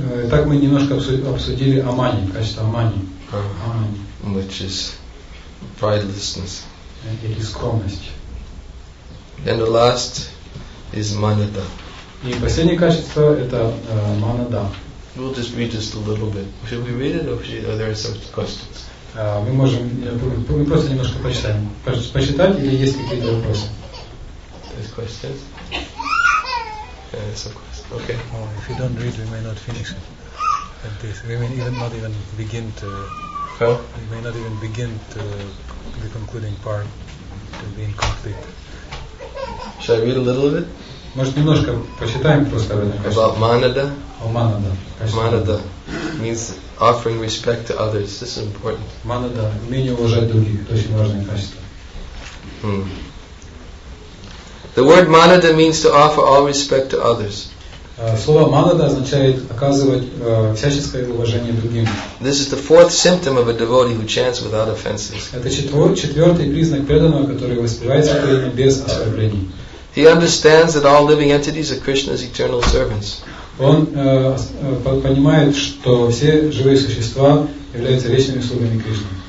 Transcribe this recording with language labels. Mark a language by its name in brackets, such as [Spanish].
[Russian] Так мы немножко обсудили Амани, качество Амани, [English] which is pridelessness. [Russian] Или скромность. [English] And the last is Manada. [Russian] И последнее качество это Манада. [English] We'll just read just a little bit. Should we read it, or there are some questions? [Russian] Мы можем просто немножко почитать, или есть какие-то вопросы? [English] There's questions. Some questions. Okay. Oh, if you don't read, we may not finish it. At this. We may even not even begin to. Huh? We may not even begin to the concluding part to be complete. Should I read a little of it? [Russian] Может немножко почитаем просто. [English] About Manada. Oh, Manada. Manada means offering respect to others. This is important. [Russian] Manada, умение уважать других, это очень важное качество. [English] The word Manada means to offer all respect to others. [Russian] Слово манада означает оказывать всяческое уважение другим. [English] This is the fourth symptom of a devotee who chants without offenses. [Russian] Это четвертый признак преданного, который воспевает преданно без оскорблений. [English] He understands that all living entities are Krishna's eternal servants. [Russian] Он понимает, что все живые существа являются вечными слугами Кришны.